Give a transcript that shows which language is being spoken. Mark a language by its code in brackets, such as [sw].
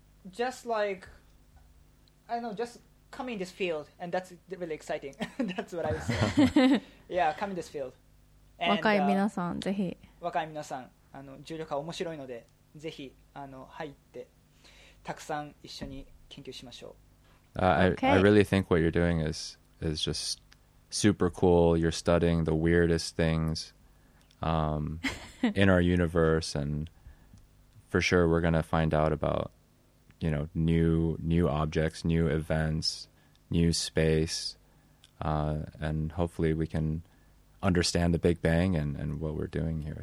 [en] Just like, I don't know, just come in this field, and that's really exciting. That's what I would say. Yeah, come in this field. [ja] And, 若い皆さん, ぜひ. 若い皆さん, 重力は面白いので, ぜひ, 入って. [en] I really think what you're doing is just super cool. You're studying the weirdest things in our universe, and for sure we're gonna find out about, you know, new objects, new events, new space, and hopefully we can understand the Big Bang and what we're doing here.